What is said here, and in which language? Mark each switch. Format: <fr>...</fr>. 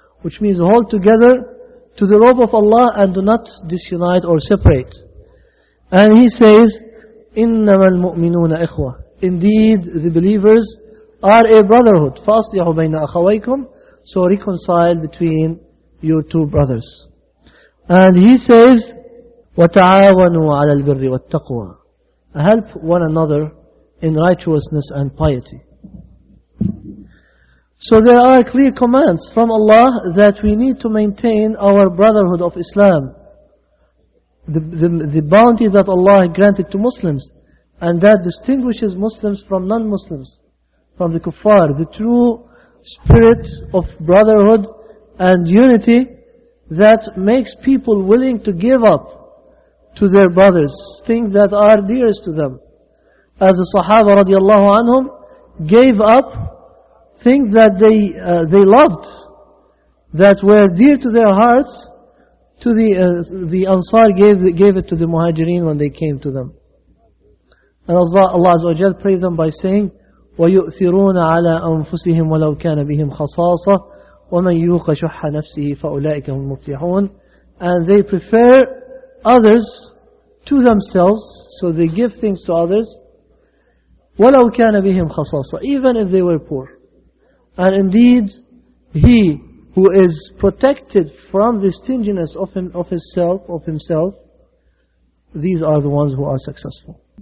<en>Which means, hold together to the rope of Allah and do not disunite or separate. And He says,</en> <ar>إِنَّمَا الْمُؤْمِنُونَ إِخْوَةً.</ar> <en>Indeed, the believers are a brotherhood.</en> <ar>فَأَصْلِحُوا بَيْنَ أَخَوَيْكُمْ.</ar> <en>So reconcile between your two brothers. And He says,</en> <ar>وَتَعَاوَنُوا عَلَى الْبِرِّ وَالتَّقْوَى.</ar> <en>Help one another in righteousness and piety. So there are clear commands from Allah that we need to maintain our brotherhood of Islam, the bounty that Allah granted to Muslims, and that distinguishes Muslims from non-Muslims, from the kuffar. The true spirit of brotherhood and unity that makes people willing to give up to their brothers things that are dearest to them. As the Sahaba radiallahu anhum gave up things that they loved, that were dear to their hearts, to the Ansar gave it to the Muhajireen when they came to them. And Allah Azza wa Jal praised them by saying,</en> <ar>وَيُؤْثِرُونَ عَلَىٰ أَنفُسِهِمْ وَلَوْ كَانَ بِهِمْ خَصَاصَةٌ وَمَنْ يُوقَ شُحَّ نَفْسِهِ فَأُولَٰئِكَ هُمُ الْمُفْلِحُونَ.</ar> <en>And they prefer others to themselves, so they give things to others,</en> <ar>وَلَوْ كَانَ بِهِمْ خَصَاصَةٌ,</ar> <en>even if they were poor. And indeed, he who is protected from the stinginess of himself, these are the ones who are successful.</en>